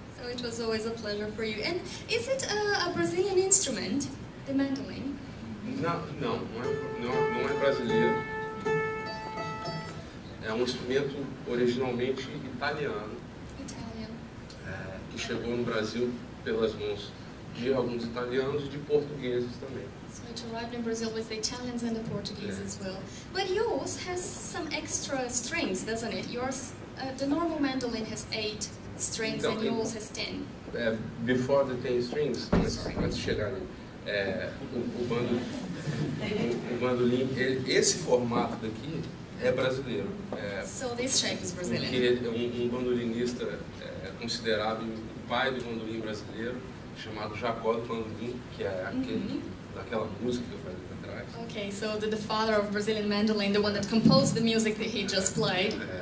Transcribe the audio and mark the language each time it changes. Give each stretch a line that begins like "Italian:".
English: It was always a pleasure for you. And is it a Brazilian instrument, the mandolin?
Portuguese: Não, não é brasileiro. É um instrumento originalmente italiano.
English: Italian.
Portuguese: Que chegou no Brasil pelas mãos de alguns italianos e de portugueses também.
English: So it arrived in Brazil with the Italians and the Portuguese as well. But yours has some extra strings, doesn't it? Yours, the normal mandolin has 8. Strings,
Portuguese: então,
English: and yours has 10. Before the 10 strings,
Portuguese: antes de chegar ali, o bandolim, esse formato daqui é brasileiro.
English: So this shape is Brazilian.
Portuguese: Que é um bandolinista considerado o pai do bandolim brasileiro, chamado Jacó do Bandolim, que é aquele daquela música que eu falei para trás.
English: Okay, so the father of Brazilian mandolin, the one that composed the music that he just played.